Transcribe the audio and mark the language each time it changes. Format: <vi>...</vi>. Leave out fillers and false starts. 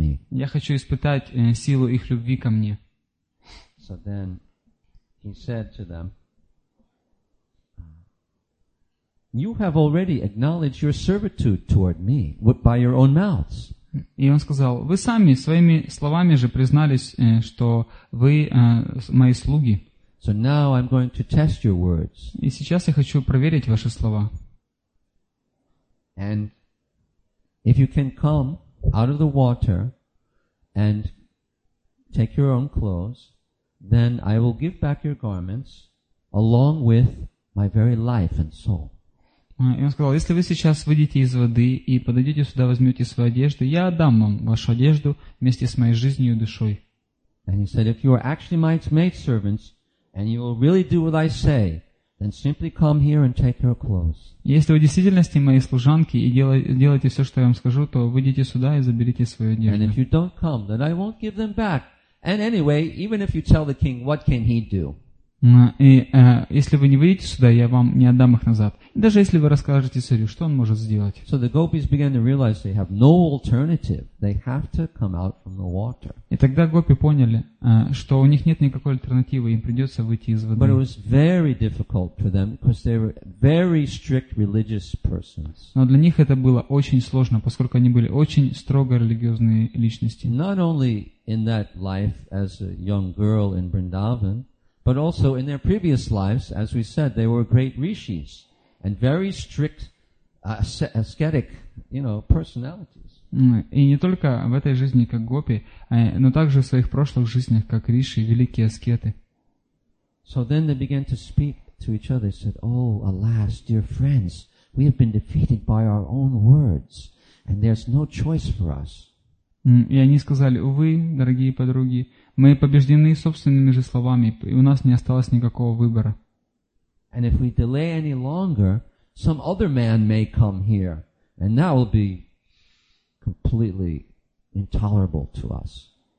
<ru>Я хочу испытать силу их любви ко мне.</ru> <en>So then he said to them, you have already acknowledged your servitude toward me by your own mouths.</en> <ru>И он сказал, вы сами своими словами же признались, что вы мои слуги.</ru> <en>So now I'm going to test your words.</en> <ru>И сейчас я хочу проверить ваши слова.</ru> <en>And if you can come out of the water and take your own clothes, then I will give back your garments along with my very life and soul.</en> <ru>И он сказал, если вы сейчас выйдете из воды и подойдете сюда, возьмете свою одежду, я отдам вам вашу одежду вместе с моей жизнью и душой.</ru> <en>And he said, if you are actually my maidservants and you will really do what I say, then simply come here and take your clothes.</en> <ru>Если вы в действительности мои служанки и делаете все, что я вам скажу, то выйдите сюда и заберите свою одежду.</ru> <en>And if you don't come, then I won't give them back. And anyway, even if you tell the king, what can he do?</en> <ru>И если вы не выйдете сюда, я вам не отдам их назад. Даже если вы расскажете царю, что он может сделать.</ru> <en>So the gopis began to realize they have no alternative. They have to come out from the water.</en> <ru>И тогда гопи поняли, что у них нет никакой альтернативы, им придется выйти из воды.</ru> <en>But it was very difficult for them because they were very strict religious persons.</en> <ru>Но для них это было очень сложно, поскольку они были очень строго религиозные личности.</ru> <en>Not only in that life as a young girl in Vrindavan, but also in their previous lives, as we said, they were great rishis and very strict ascetic, you know, personalities.</en> <ru>И не только в этой жизни как гопи, но также в своих прошлых жизнях как риши, великие аскеты.</ru> <en>So then they began to speak to each other. They said, "Oh, alas, dear friends, we have been defeated by our own words, and there's no choice for us."</en> <ru>И они сказали: "Увы, дорогие подруги." Мы побеждены собственными же словами, и у нас не осталось никакого выбора.</ru> <en>And if we delay any longer, some other man may come here, and that will be completely intolerable to us.</en>